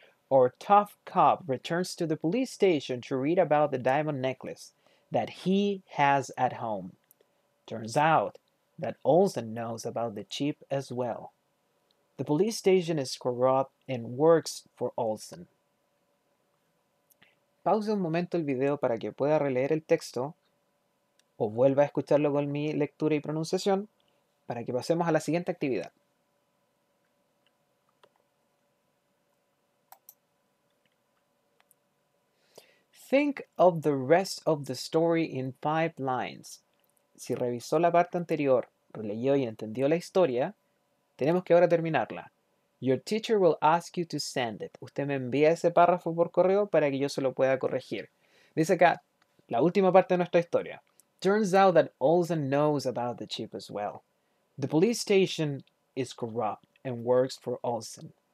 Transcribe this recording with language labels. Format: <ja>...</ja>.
<en>Our tough cop returns to the police station to read about the diamond necklace that he has at home. Turns out that Olsen knows about the chip as well. The police station is corrupt and works for Olsen.</en> <es>Pause un momento el video para que pueda releer el texto o vuelva a escucharlo con mi lectura y pronunciación para que pasemos a la siguiente actividad.</es> <en>Think of the rest of the story in five lines.</en> <es>Si revisó la parte anterior, releyó y entendió la historia, tenemos que ahora terminarla.</es> <en>Your teacher will ask you to send it.</en> <es>Usted me envía ese párrafo por correo para que yo se lo pueda corregir. Dice acá la última parte de nuestra historia.</es> <en>Turns out that Olsen knows about the chip as well. The police station is corrupt and works for Olsen.</en>